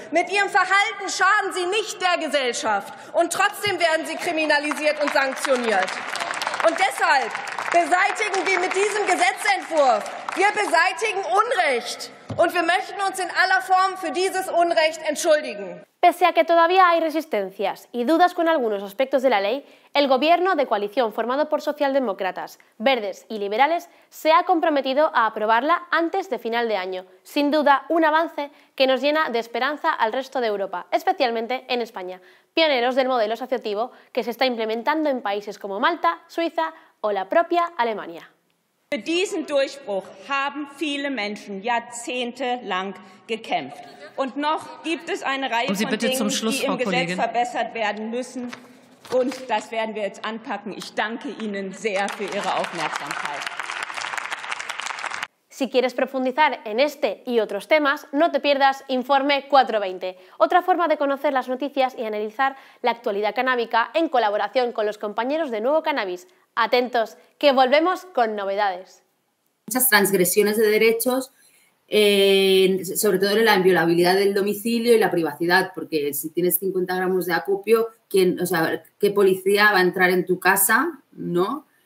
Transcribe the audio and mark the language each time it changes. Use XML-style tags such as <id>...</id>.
<de>Mit ihrem Verhalten schaden sie nicht der Gesellschaft. Und trotzdem werden sie kriminalisiert und sanktioniert. Und deshalb beseitigen wir mit diesem Gesetzentwurf. Wir beseitigen Unrecht. Und wir möchten uns in aller Form für dieses Unrecht entschuldigen.</de> <es>Pese a que todavía hay resistencias y dudas con algunos aspectos de la ley, el gobierno de coalición formado por socialdemócratas, verdes y liberales se ha comprometido a aprobarla antes de final de año. Sin duda, un avance que nos llena de esperanza al resto de Europa, especialmente en España, pioneros del modelo asociativo que se está implementando en países como Malta, Suiza o la propia Alemania.</es> <de>Für diesen Durchbruch haben viele Menschen jahrzehntelang gekämpft. Und noch gibt es eine Reihe von Dingen, die im Gesetz verbessert werden müssen. Und das werden wir jetzt anpacken. Ich danke Ihnen sehr für Ihre Aufmerksamkeit.</de> <es>Si quieres profundizar en este y otros temas, no te pierdas Informe 420, otra forma de conocer las noticias y analizar la actualidad canábica en colaboración con los compañeros de Nuevo Cannabis. Atentos, que volvemos con novedades. Muchas transgresiones de derechos, sobre todo en la inviolabilidad del domicilio y la privacidad, porque si tienes 50 gramos de acopio, ¿qué policía va a entrar en tu casa, ¿no?</es>